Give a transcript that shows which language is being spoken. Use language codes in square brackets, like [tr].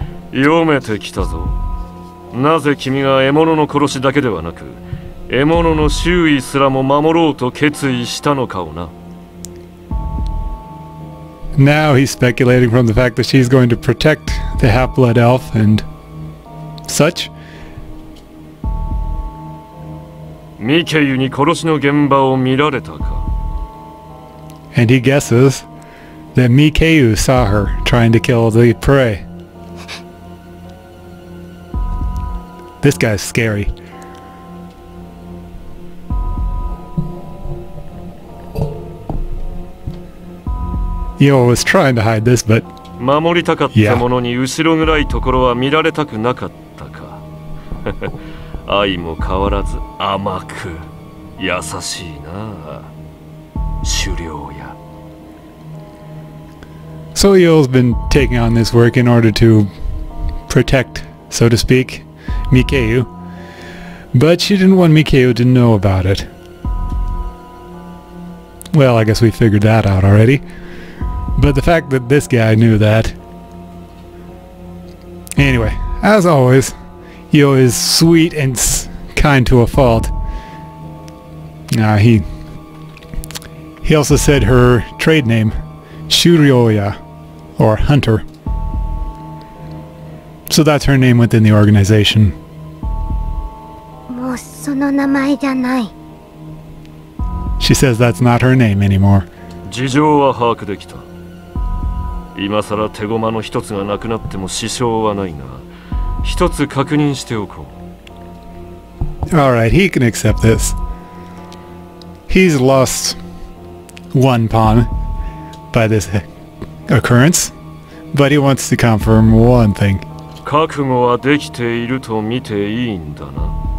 [ja] 読めてきたぞ。なぜ君が獲物の殺しだけではなく、獲物の周囲すらも守ろうと決意したのかをな。 [en] Now he's speculating from the fact that she's going to protect the half-blood elf and such. [ja] ミケユに殺しの現場を見られたか。 [en] And he guesses that ミケユ saw her trying to kill the prey. This guy's scary. You know, I was trying to hide this, but... [ja] 守りたかったものに後ろ暗いところは見られたくなかったか。愛も変わらず甘く優しいな、狩猟や。 [en] So Yul's been taking on this work in order to protect, so to speak. Mikeyu, but she didn't want Mikeyu to know about it. Well, I guess we figured that out already. But the fact that this guy knew that... Anyway, as always, Yo is sweet and kind to a fault. He also said her trade name, Shurioya, or Hunter. So that's her name within the organization. [ja] その名前じゃない。 [en] She says that's not her name anymore. [ja] 事情は把握できた。今さら手駒の一つがなくなっても支障はないが、一つ確認しておこう。 [en] All right, he can accept this. He's lost one pawn by this occurrence, but he wants to confirm one thing. [ja] 覚悟はできていると見ていいんだな。